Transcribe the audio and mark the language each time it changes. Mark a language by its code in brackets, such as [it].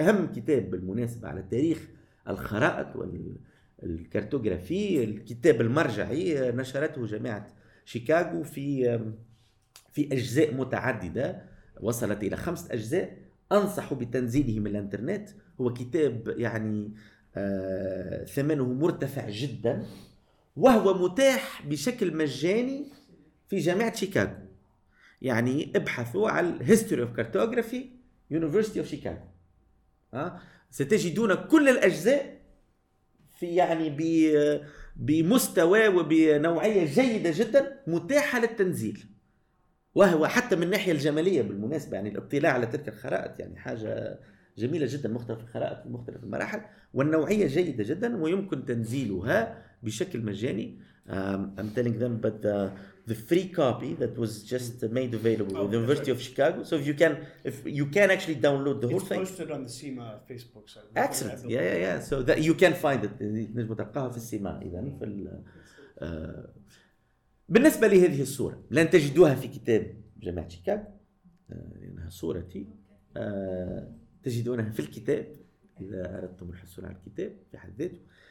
[ar] أهم كتاب بالمناسبة على التاريخ الخرائط والكارتوغرافي الكتاب المرجعي، نشرته جامعة شيكاغو في أجزاء متعددة، وصلت إلى 5 أجزاء، أنصح بتنزيله من الانترنت. هو كتاب يعني ثمنه مرتفع جدا، وهو متاح بشكل مجاني في جامعة شيكاغو، يعني ابحثوا على [en] History of Cartography University of Chicago. [ar] ستجدون كل الأجزاء في يعني بمستوى وبنوعية جيدة جدا متاحة للتنزيل. وهو حتى من ناحية الجمالية بالمناسبة يعني الاطلاع على تلك الخرائط يعني حاجة جميلة جدا، مختلف الخرائط في مختلف المراحل والنوعية جيدة جدا ويمكن تنزيلها بشكل مجاني. [en] I'm telling them but the free copy that was just made available with the University of Chicago. So if you can actually download the whole thing. It's posted on the CIMA Facebook site. Excellent. Yeah. So that you can find it. [ar] نجم تلقاها في CIMA إذن في ال. بالنسبة لهذه الصورة لن تجدوها في كتاب جامعة شيكاغو، لأنها صورتي. تجدونها في الكتاب إذا أردتم الحصول على الكتاب في حد ذاته.